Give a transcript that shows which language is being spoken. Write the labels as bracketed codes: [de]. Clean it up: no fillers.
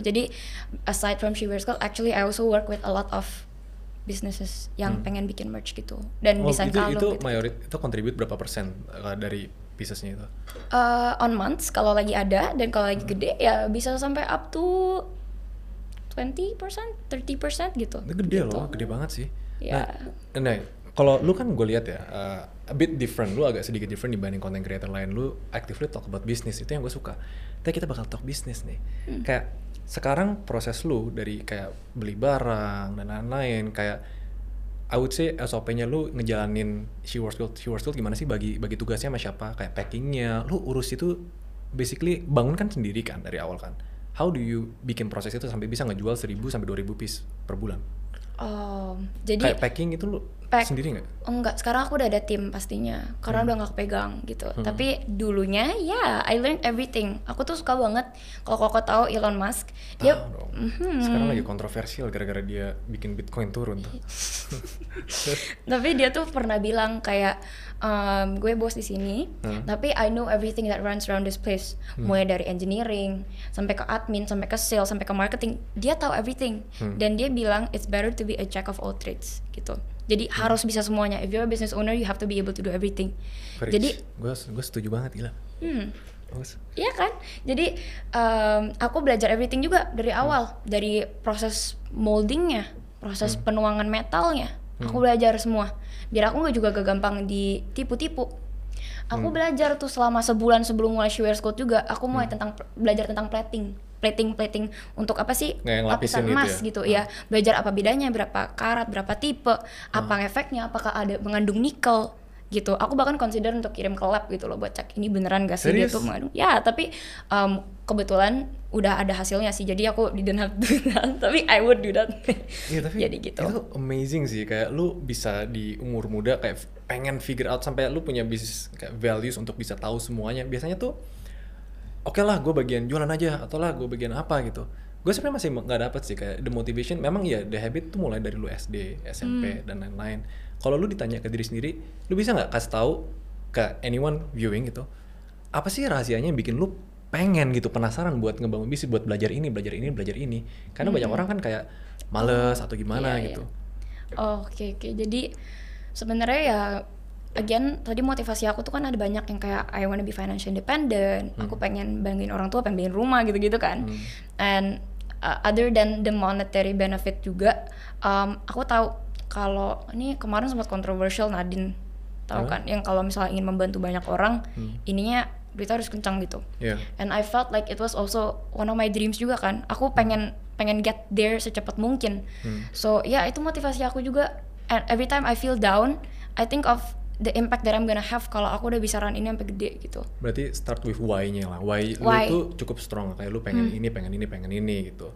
[en] Jadi aside from Shewear School, actually I also work with a lot of businesses [id] yang pengen bikin merch gitu dan desain kalung itu mayoritas itu contribute berapa persen dari bisnisnya itu? [en] On months [id] kalau lagi ada, dan kalau lagi gede ya bisa sampai [en] up to [id] 20%, 30% gitu. Itu gede gitu. Loh, gede banget sih. [en] Yeah. [id] Nah, kalau lu kan gue lihat ya [en] a bit different, [id] lu agak sedikit different dibanding content creator lain. Lu [en] actively talk about business, [id] itu yang gue suka. Tapi kita bakal [en] talk business [id] nih. Kayak sekarang proses lu dari kayak beli barang dan lain-lain, kayak [en] I would say [id] SOP-nya lu ngejalanin Keywords Gold gimana sih, bagi tugasnya sama siapa, kayak packing-nya, lu urus itu basically bangun kan sendiri kan dari awal kan. [en] How do you [id] bikin proses itu sampai bisa ngejual 1000 sampai 2000 piece per bulan? Jadi kayak packing itu lu sendiri enggak? Oh enggak, sekarang aku udah ada tim pastinya karena udah enggak kepegang gitu. Tapi dulunya ya yeah, [en] I learned everything. [id] Aku tuh suka banget kalau Koko tahu Elon Musk. Dia sekarang lagi kontroversial gara-gara dia bikin Bitcoin turun tuh. Tapi dia tuh pernah bilang kayak gue bos di sini, tapi [en] I know everything that runs around this place. [id] Mulai dari engineering sampai ke admin, sampai ke sales, sampai ke marketing. Dia tahu everything. Dan dia bilang [en] it's better to be a jack of all trades gitu. [id] Jadi harus bisa semuanya. [en] If you're a business owner, you have to be able to do everything. Preach. [id] Jadi, gue setuju banget, gila. Iya kan? Jadi, aku belajar everything juga dari awal. Dari proses moldingnya, proses penuangan metalnya. Aku belajar semua. Biar aku juga gak gampang ditipu-tipu. Aku belajar tuh selama sebulan sebelum mulai Shewear School juga. Aku mulai belajar tentang plating. Plating untuk apa sih, lapisan emas gitu ya, gitu, ya. Belajar apa bedanya, berapa karat, berapa tipe, apa efeknya, apakah ada mengandung nikel gitu. Aku bahkan consider untuk kirim ke lab gitu loh buat cek ini beneran gak sih dia tuh mengandung. Ya tapi kebetulan udah ada hasilnya sih, jadi aku [en] didn't have to do that, [id] tapi [en] I would do that. [id] Ya, tapi jadi gitu. Itu amazing sih, kayak lu bisa di umur muda kayak pengen figure out sampai lu punya bisnis kayak values untuk bisa tahu semuanya. Biasanya tuh oke lah, gue bagian jualan aja, atau lah gue bagian apa gitu. Gue sebenarnya masih nggak dapet sih kayak the motivation. Memang ya the habit tuh mulai dari lu SD, SMP dan lain-lain. Kalau lu ditanya ke diri sendiri, lu bisa nggak kasih tahu ke anyone viewing gitu, apa sih rahasianya yang bikin lu pengen gitu, penasaran buat ngebangun bisnis, buat belajar ini, belajar ini, belajar ini. Karena banyak orang kan kayak males atau gimana gitu. Oke. Jadi sebenarnya ya. Again, tadi motivasi aku tuh kan ada banyak yang kayak [en] I wanna be financially independent, [id] aku pengen bangin orang tua, pengen bangin rumah gitu-gitu kan. [en] And other than the monetary benefit [id] juga, aku tahu kalau ini kemarin sempat controversial, Nadine tahu kan, yang kalau misalnya ingin membantu banyak orang, ininya duit harus kencang gitu. [en] Yeah. And I felt like it was also one of my dreams [id] juga kan. Aku pengen get there secepat mungkin. So yeah, itu motivasi aku juga. [en] And every time I feel down, I think of the impact that I'm gonna have [id] kalau aku udah bisa run ini sampai gede gitu. Berarti start with why-nya lah. Why? Lu tuh cukup strong, kayak lu pengen ini, pengen ini, pengen ini gitu.